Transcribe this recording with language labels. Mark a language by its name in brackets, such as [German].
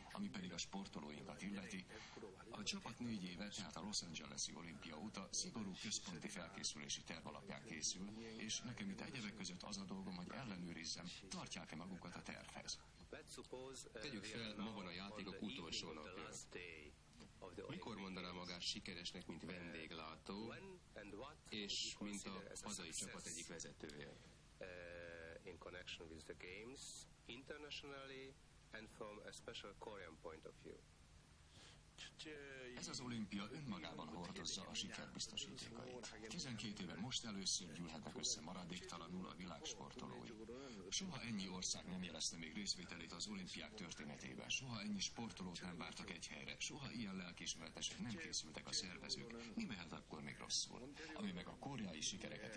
[Hungarian] Ami pedig a sportolóinkat illeti, a csapat 4 éve, tehát a Los Angeles-i olimpia óta szigorú központi felkészülési terv alapján készül, és nekem itt egyebek között az a dolgom, hogy ellenőrizzem, tartják-e magukat a tervhez. Tegyük fel, ma van a játékok utolsó napja. Mikor mondaná magát sikeresnek, mint vendéglátó, és mint a hazai csapat egyik vezetője? [English] In connection with the games, internationally and from a special Korean point of view. [Hungarian] Ez az olimpia önmagában hordozza a siker biztosítékait. 12 éve most először gyűlhetnek össze maradéktalanul a világ sportolói. Soha ennyi ország nem jelezte még részvételét az olimpiák történetében. Soha ennyi sportolót nem vártak egy helyre. Soha ilyen lelkismeretesek nem készültek a szervezők. Mi mehet akkor még rosszul? Ami meg a koreai sikereket